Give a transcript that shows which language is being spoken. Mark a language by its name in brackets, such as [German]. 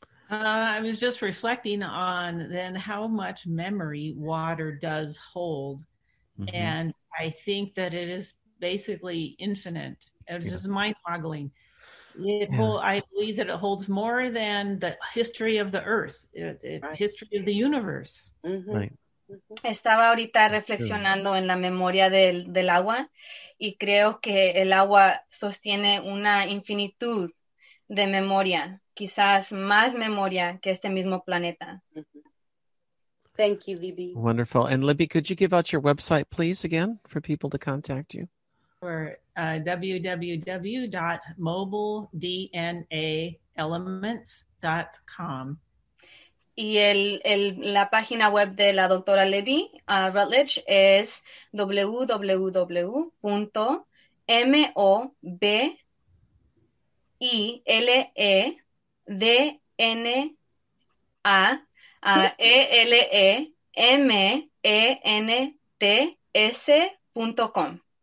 [English] I was just reflecting on then how much memory water does hold, and I think that it is basically infinite. It's just mind-boggling. I believe that it holds more than the history of the Earth, history of the universe. Mm-hmm. Right. [Spanish] Estaba ahorita reflexionando en la memoria del agua y creo que el agua sostiene una infinitud de memoria, quizás más memoria que este mismo planeta. [English] Thank you, Libby. Wonderful. And Libby, could you give out your website, please, again, for people to contact you? For www.mobilednaelements.com. [Spanish] Y la página web de la doctora Libby Rutledge es www.mobilednaelements.com.